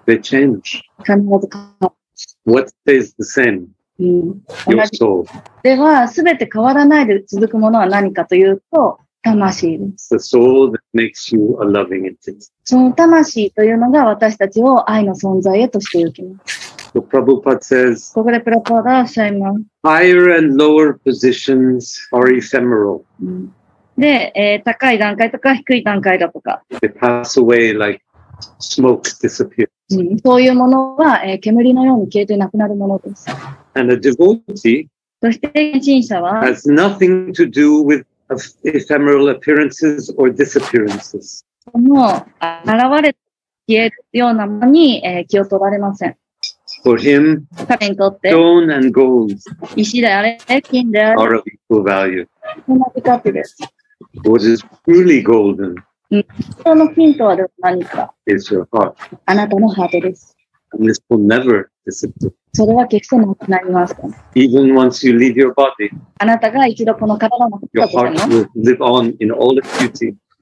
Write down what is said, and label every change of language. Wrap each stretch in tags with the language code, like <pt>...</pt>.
<en>They change.</en> <ja>必ず変わる。</ja> <en>What stays the same?、Your soul.</en> <ja>では、すべて変わらないで続くものは何かというと、魂です。</ja> <en>The soul that makes you a loving entity.</en> <ja>その魂というのが私たちを愛の存在へとしていきます。</ja> <en>So, Prabhupada says,</en> <ja>ここでプラパーダはおっしゃいます。</ja> <en>Higher and lower positions are ephemeral.</en> <ja>で、高い段階とか低い段階だとか。</ja> <en>They pass away like smoke disappears.</en> <ja>そういうものは、煙のように消えてなくなるものです。</ja> <en>And a devotee,</en> <ja>そして献身者は、</ja> <en>has nothing to do withOf ephemeral appearances or disappearances.</en> <ja>その現れ消えるようなものに、気を取られません。</ja> <en>For him,</en> <ja>彼にとって、</ja> <en>stone and gold</en> <ja>石であれ、金であれ、</ja> <en>are of equal value.</en> <ja>同じ価値です。</ja> <en>What is truly golden?</en> <ja>本当の金とは何か</ja> <en>is your heart.</en> <ja>あなたのハートです。</ja> <en>And this will never disappear.</en> <ja>それは決してなくなりません。</ja> <en>Even once you leave your body,</en> <ja>あなたが一度この体の中で、</ja> <en>your heart will live on in all its beauty.</en>